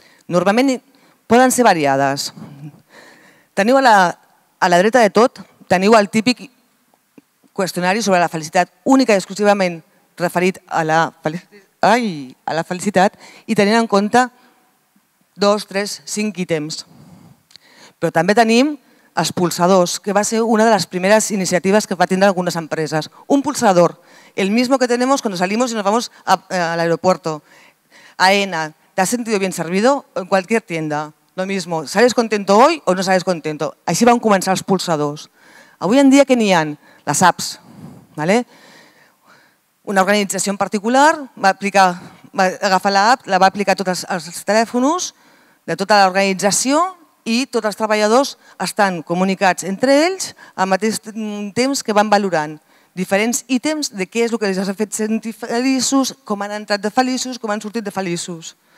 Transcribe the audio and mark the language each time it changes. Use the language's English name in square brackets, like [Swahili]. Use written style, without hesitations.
[Catalan] Normalment poden ser variades. Teniu a la dreta de tot, teniu el típic qüestionari sobre la felicitat, única i exclusivament referit a la felicitat i tenint en compte 2, 3, 5 ítems. Però també tenim els pulsadors, que va ser una de les primeres iniciatives que va tindre algunes empreses. [Spanish] Un pulsador, el mismo que tenemos cuando salimos y nos vamos a l'aeropuerto. Aena, ¿te has sentido bien servido en cualquier tienda? Lo mismo, ¿sales contento hoy o no sales contento? [Catalan] Així van començar els pulsadors. Avui en dia que n'hi ha? Les apps. ¿Vale? Una organització en particular va agafar l'app, la va aplicar a tots els telèfons de tota l'organització i tots els treballadors estan comunicats entre ells al mateix temps que van valorant diferents ítems de què és el que els ha fet sentir feliços, com han entrat de feliços, com han sortit de feliços.